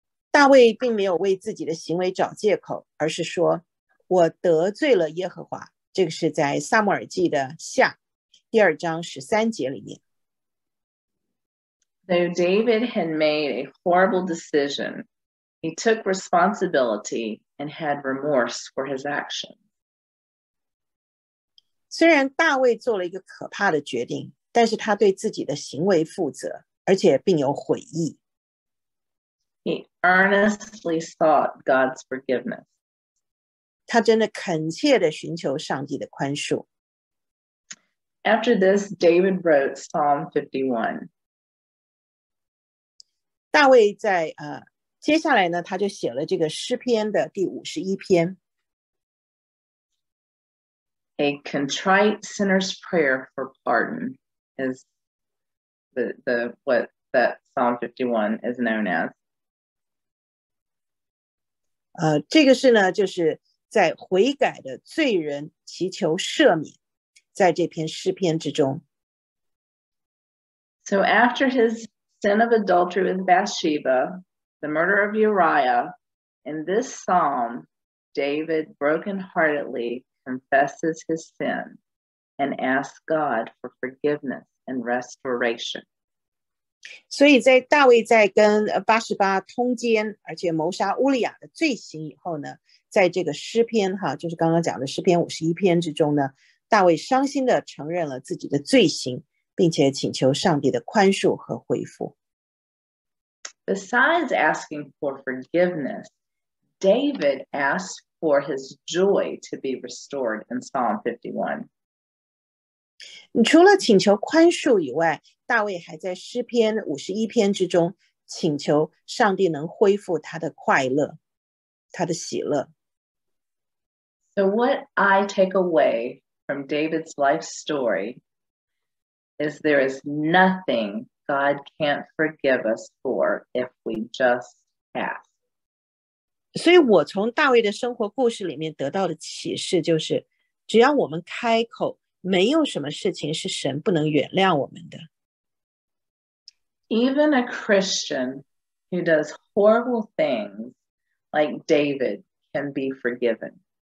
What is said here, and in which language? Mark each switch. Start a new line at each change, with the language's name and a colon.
Chinese: 大卫并没有为自己的行为找借口，而是说我得罪了耶和华。这个是在撒母耳记的下第二章十三节里面。
English: Though David had made a horrible decision, he took responsibility and had remorse for his action.
Chinese: 虽然大卫做了一个可怕的决定，但是他对自己的行为负责，而且并有悔意。
English: He earnestly sought God's forgiveness.
Chinese: 他真的恳切地寻求上帝的宽恕。
English: After this, David wrote Psalm 51.
Chinese: 大卫在接下来呢，他就写了这个诗篇的第五十一篇。
English: A contrite sinner's prayer for pardon is the what that Psalm 51 is known as.
Chinese: 这个是呢，就是在悔改的罪人祈求赦免，在这篇诗篇之中。
English: So after his sin of adultery with Bathsheba, the murder of Uriah, in this psalm, David brokenheartedly confesses his sin and asks God for forgiveness and restoration.
Chinese: 所以在大卫在跟八十八通奸而且谋杀乌利亚的罪行以后呢，在这个诗篇哈，就是刚刚讲的诗篇五十一篇之中呢，大卫伤心地承认了自己的罪行，并且请求上帝的宽恕和恢复。
English: Besides asking for forgiveness, David asked for his joy to be restored in Psalm 51.
Chinese: 除了请求宽恕以外，大卫还在诗篇五十一篇之中请求上帝能恢复他的快乐，他的喜乐。
English: So what I take away from David's life story is there is nothing God can't forgive us for if we just ask.
Chinese: 所以我从大卫的生活故事里面得到的启示就是，只要我们开口，没有什么事情是神不能原谅我们的。
English: Even a Christian who does horrible things like David can be forgiven.